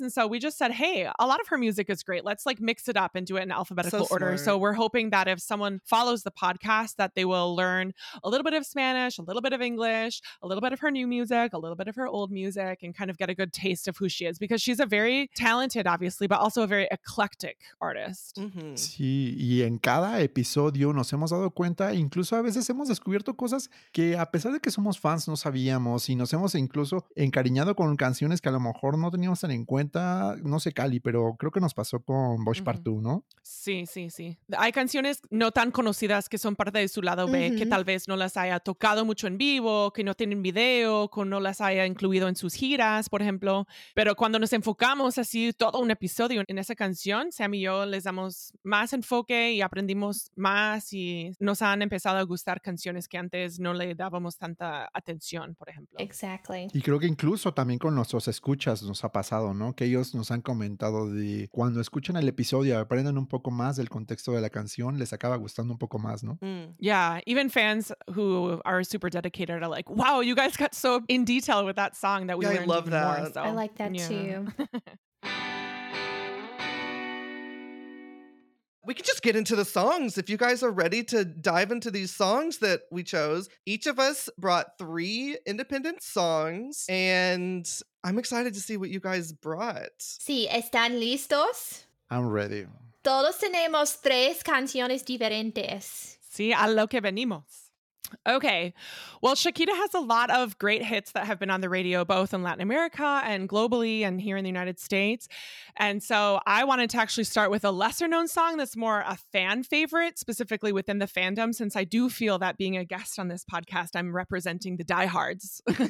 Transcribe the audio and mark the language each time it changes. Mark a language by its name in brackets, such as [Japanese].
[English] And so we just said, hey, a lot of her music is great. Let's like mix it up and do it in alphabetical order. So we're hoping that if someone follows the podcast that they will learn a little bit of Spanish, a little bit of English, a little bit of her new music, a little bit of her old music, and kind of get a good taste of who she is because she's a very talented, obviously, but also a very eclectic artist. [Spanish] Sí, y en cada episodio nos hemos dado cuenta, incluso a veces hemos descubierto cosas que a pesar de que somos fans no sabíamos y nos hemos incluso encariñado con canciones que a lo mejor no teníamos tan en cuenta, no sé Cali, pero creo que nos pasó con Bosch Part 2, ¿no? Sí, sí, sí. Hay canciones no tan conocidas que son parte de su lado B, que tal vez no las haya tocado mucho en vivo, que no tienen video, que no las haya incluido en sus giras, por ejemplo. Pero cuando nos enfocamos así todo un episodio en esa canción, Sam y yo les damos más enfoque y aprendimos más y nos han empezado a gustar canciones que antes no le dábamos tanta atención, por ejemplo. [English] Exactly. [Spanish] Y creo que incluso también con nuestros escuchas nos ha pasado, ¿no? Que ellos nos han comentado de cuando escuchan el episodio, aprenden un poco más del contexto de la canción, les acaba gustando un poco más, ¿no? [English] Yeah, even fans who are super dedicated are like, wow, you guys got so in detail with that song that we learned more. I like that too. We could just get into the songs. If you guys are ready to dive into these songs that we chose, each of us brought three independent songs, and I'm excited to see what you guys brought. [Spanish] Sí, ¿están listos? [English] I'm ready. [Spanish] Todos tenemos tres canciones diferentes. Sí, a lo que venimos. [English] Okay, well, Shakira has a lot of great hits that have been on the radio, both in Latin America and globally and here in the United States. And so I wanted to actually start with a lesser known song that's more a fan favorite, specifically within the fandom, since I do feel that being a guest on this podcast, I'm representing the diehards.